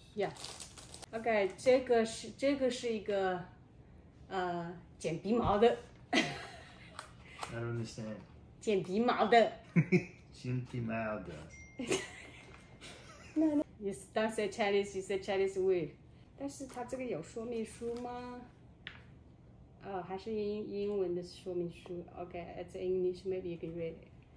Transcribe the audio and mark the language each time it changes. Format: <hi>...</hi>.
<en>Yeah. Okay,</en> <zh>这个是一个剪鼻毛的。</zh> <en>I don't understand.</en> <zh>剪鼻毛的。剪鼻毛的。</zh> <en>No. You don't say Chinese, you say Chinese word.</en> <zh>但是它这个有说明书吗？哦，还是英文的说明书。</zh> <en>Okay, it's English, maybe you can read it.</en>